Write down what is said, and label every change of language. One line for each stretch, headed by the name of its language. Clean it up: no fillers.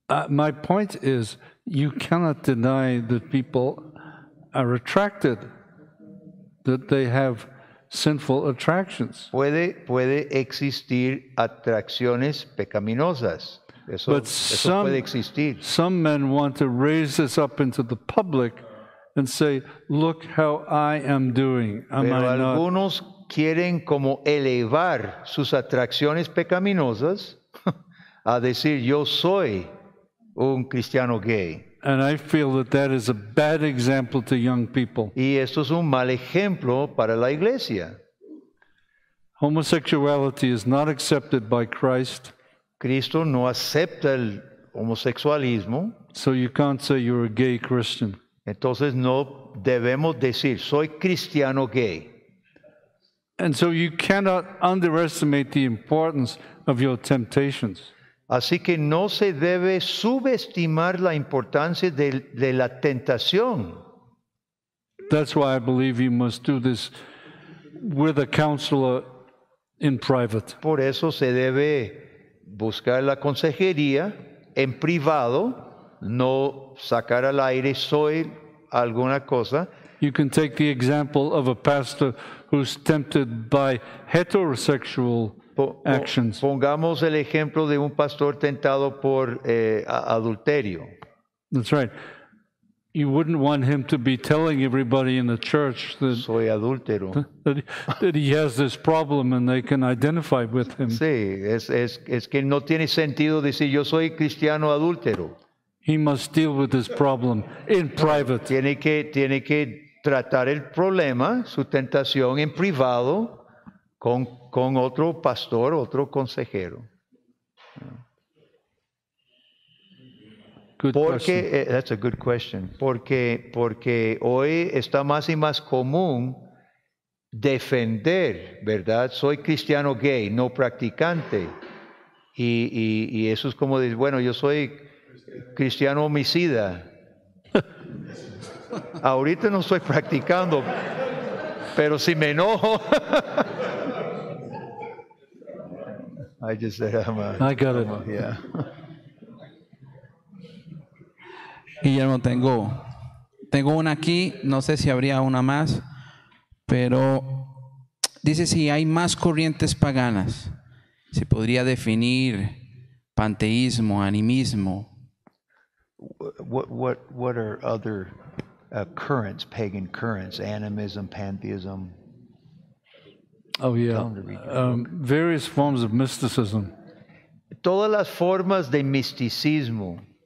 English: My point is, you cannot deny that people are attracted, that they have sinful attractions.
Spanish: Puede existir atracciones pecaminosas. Eso puede existir.
English: Some men want to raise this up into the public and say, look how I am doing.
Spanish: Algunos quieren como elevar sus atracciones pecaminosas a decir, yo soy un cristiano gay.
English: And I feel that is a bad example to young people.
Spanish: Y esto es un mal ejemplo para la iglesia.
English: Homosexuality is not accepted by Christ.
Spanish: Cristo no acepta el homosexualismo.
English: So you can't say you're a gay Christian.
Spanish: Entonces no debemos decir soy cristiano gay.
English: And so you cannot underestimate the importance of your temptations.
Spanish: Así que no se debe subestimar la importancia de la tentación.
English: That's why I believe you must do this with a counselor in private.
Spanish: Por eso se debe buscar la consejería en privado, no sacar al aire soy alguna cosa.
English: You can take the example of a pastor who's tempted by heterosexual actions.
Spanish: Pongamos el ejemplo de un pastor tentado por adulterio.
English: That's right. You wouldn't want him to be telling everybody in the church that,
Spanish: soy adúltero.
English: That he has this problem and they can identify with him.
Spanish: Sí, es que no tiene sentido decir yo soy cristiano adúltero.
English: He must deal with this problem in private.
Spanish: Tiene que tratar el problema, su tentación, en privado con otro pastor, otro consejero.
English: Good
Spanish: porque,
English: question. That's a good question.
Spanish: Porque hoy está más y más común defender, ¿verdad? Soy cristiano gay, no practicante. Y eso es como decir, bueno, yo soy cristiano homicida. Ahorita no estoy practicando, pero si me enojo.
English: I just said I'm a, I got I'm A, yeah.
Spanish: Guillermo, tengo una aquí, no sé si habría una más, pero dice si hay más corrientes paganas, se podría definir panteísmo, animismo.
English: What are other currents, pagan currents, animism, pantheism? Oh yeah, various forms of mysticism.
Spanish: Todas las formas de misticismo.